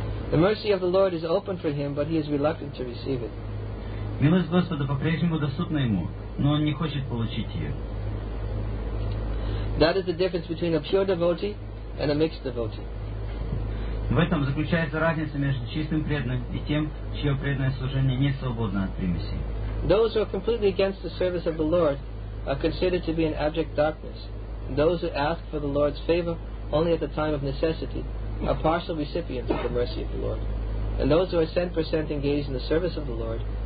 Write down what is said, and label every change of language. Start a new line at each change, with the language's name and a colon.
English: The mercy of the Lord is open for him, but he is reluctant to receive it.
Russian: Милость Господа по-прежнему доступна ему, но он не хочет получить ее.
English: That is the difference between a pure devotee and a mixed devotee.
Russian: В этом заключается разница между чистым преданным и тем, чье преданное служение не свободно от примесей.
English: Those who are completely against the service of the Lord are considered to be in abject darkness. Those who ask for the Lord's favor only at the time of necessity are partial recipients of the mercy of the Lord. And those who are 100% engaged in the service of the Lord